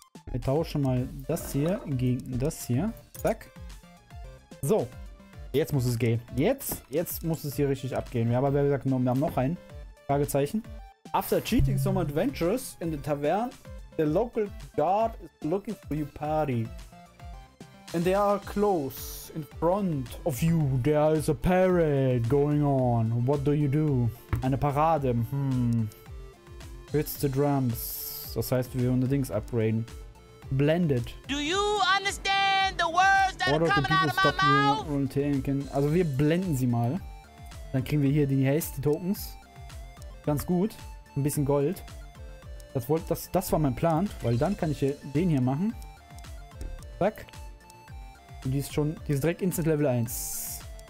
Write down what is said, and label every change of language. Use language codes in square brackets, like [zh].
[de] Wir tauschen mal das hier gegen das hier. Zack. So. Jetzt muss es gehen. Jetzt muss es hier richtig abgehen. Wir haben aber, wie gesagt, wir haben noch ein Fragezeichen. [en] After cheating some adventures in the tavern, the local guard is looking for your party. And they are close in front of you. There is a parade going on. What do you do? [de] Eine Parade. [en] It's the drums. [de] Das heißt, wir unsere Dings upgraden. Blended. [en] Do you understand the words that are coming out of my mouth? [de] Also wir blenden sie mal. Dann kriegen wir hier die Haste Tokens. Ganz gut. Ein bisschen Gold. Das war mein Plan, weil dann kann ich hier den hier machen. Zack. Und die ist direkt instant Level 1.